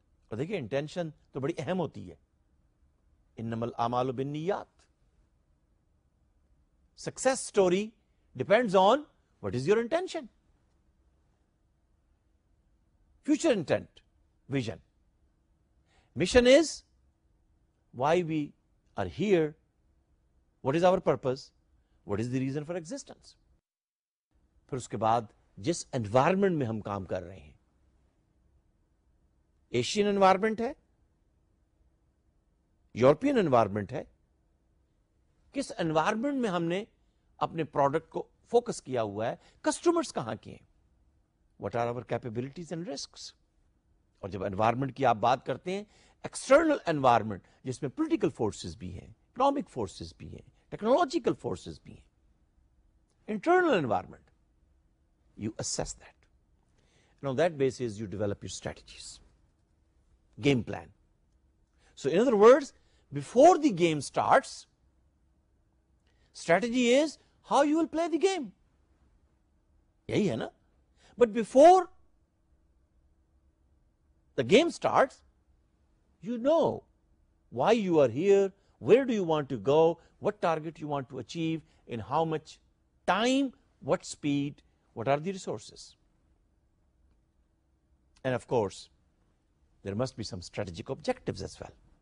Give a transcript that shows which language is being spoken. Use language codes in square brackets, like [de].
[ur] اور دیکھیں intention تو بڑی اہم ہوتی ہے, [ar] انما الاعمال بالنیات. [en] Success story depends on what is your intention, future intent, vision. Mission is why we are here, what is our purpose, what is the reason for existence. [ur] پھر اس کے بعد جس انوائرمنٹ میں ہم کام کر رہے ہیں, ایشین انوائرمنٹ ہے, یورپین انوائرمنٹ ہے, کس انوائرمنٹ میں ہم نے اپنے پروڈکٹ کو فوکس کیا ہوا ہے, کسٹمرز کہاں کے ہیں, [en] What are our capabilities and risks. [ur] اور جب انوائرمنٹ کی آپ بات کرتے ہیں, ایکسٹرنل انوائرمنٹ جس میں پولیٹیکل فورسز بھی ہیں, اکنامک فورسز بھی ہیں, ٹیکنالوجیکل فورسز بھی ہیں, internal environment, [en] you assess that, and on that basis you develop your strategies, game plan. So in other words, before the game starts, strategy is how you will play the game, [ur] yahi hai na. [en] But before the game starts, you know why you are here, where do you want to go, what target you want to achieve, in how much time, what speed, what are the resources, and of course there must be some strategic objectives as well.